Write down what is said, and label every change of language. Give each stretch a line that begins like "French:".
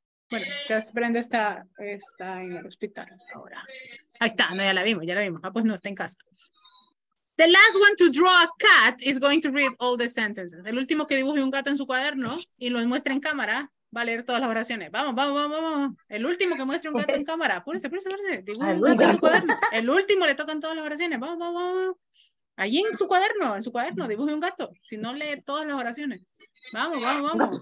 Spanish: Bueno, si Brenda está en el hospital ahora. Ahí está, no, ya la vimos. Ah, pues no, está en casa.
English: The last one to draw a cat is going to read all the sentences.
Spanish: El último que dibuje un gato en su cuaderno y lo muestre en cámara va a leer todas las oraciones. Vamos. El último que muestre un gato en cámara. Apúrese. Dibuje un gato en su cuaderno. El último le tocan todas las oraciones. Vamos. Allí en su cuaderno, dibuje un gato. Si no, lee todas las oraciones. Vamos.